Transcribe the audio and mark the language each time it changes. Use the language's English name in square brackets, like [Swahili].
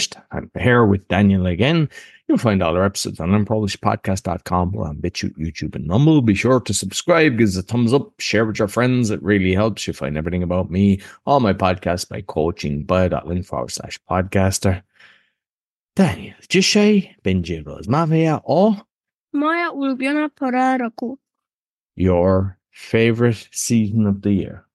[English] I'm here with Daniel again. You'll find all our episodes on learnpolishpodcast.com or on BitChute, YouTube, and Rumble. Be sure to subscribe, give us a thumbs up, share with your friends. It really helps. You'll find everything about me, all my podcasts by coaching bio.link/podcaster. [Polish] Daniel, dzisiaj będzie rozmawia o... Moja ulubiona pora roku. [English] Your favorite season of the year.